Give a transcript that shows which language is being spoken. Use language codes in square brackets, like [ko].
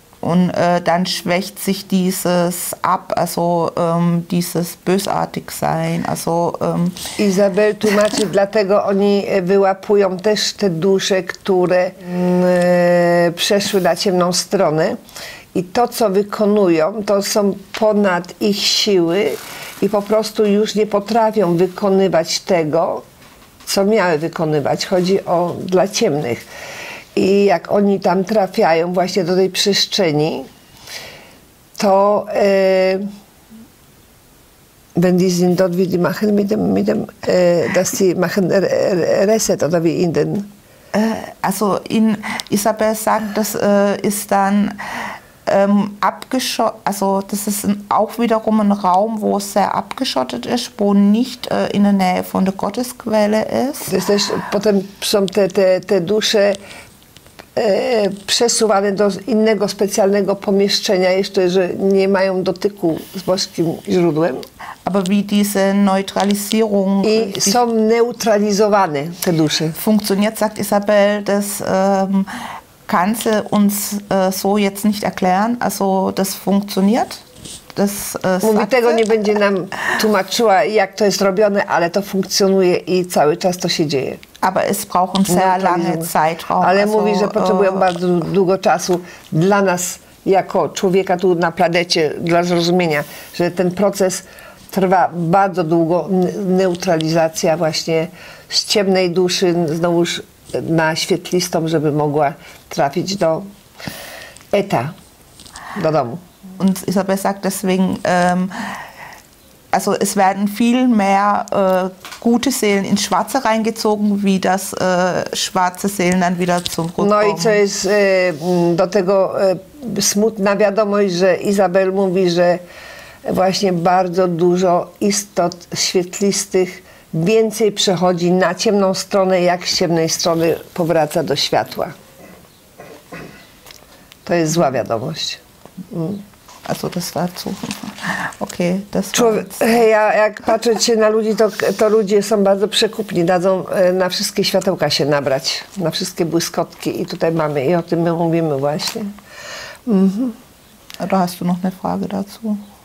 [de] Und dann schwächt sich dieses ab, also dieses bösartig sein. Also, [pl] Izabel tłumaczy, dlatego oni wyłapują też te dusze, które przeszły na ciemną stronę. I to, co wykonują, to są ponad ich siły i po prostu już nie potrafią wykonywać tego, co miały wykonywać. Chodzi o dla ciemnych. I jak oni tam trafiają właśnie do tej przestrzeni, to [de] wendizin dodwidi machen mitem dass sie machen reset oder wie in den also in Isabel sagt, das ist dann abgeschottet, also das ist auch wiederum ein Raum, wo es sehr abgeschottet ist, wo nicht in der Nähe von der Gottesquelle ist. Das ist [pl] potem są te dusze przesuwane do innego specjalnego pomieszczenia, jeszcze, że nie mają dotyku z boskim źródłem. [de] Aber wie diese Neutralisierung [pl] i są neutralizowane te dusze. [de] Funktioniert, sagt Isabel, das kannst du uns so jetzt nicht erklären, also das funktioniert. [pl] Das, mówi, tego nie będzie nam tłumaczyła, jak to jest robione, ale to funkcjonuje i cały czas to się dzieje. [de] Aber es brauchen sehr lange Zeitraum. [pl] Ale also, mówi, że potrzebują bardzo długo czasu dla nas, jako człowieka tu na planecie, dla zrozumienia, że ten proces trwa bardzo długo, neutralizacja właśnie z ciemnej duszy, znowuż na świetlistą, żeby mogła trafić do Eta, do domu. [de] Und Isabel sagt deswegen, also es werden viel mehr gute Seelen ins Schwarze reingezogen, wie das schwarze Seelen dann wieder zurückkommen. [pl] No i co jest do tego smutna wiadomość, że Isabel mówi, że właśnie bardzo dużo istot świetlistych więcej przechodzi na ciemną stronę, jak z ciemnej strony powraca do światła. To jest zła wiadomość. [de] Also das war zu. Okay, das [pl] ja, jak patrzę się na ludzi, to ludzie są bardzo przekupni. Dadzą na wszystkie światełka się nabrać, na wszystkie błyskotki. I tutaj mamy, i o tym my mówimy właśnie. [de] A da hast du noch eine Frage dazu?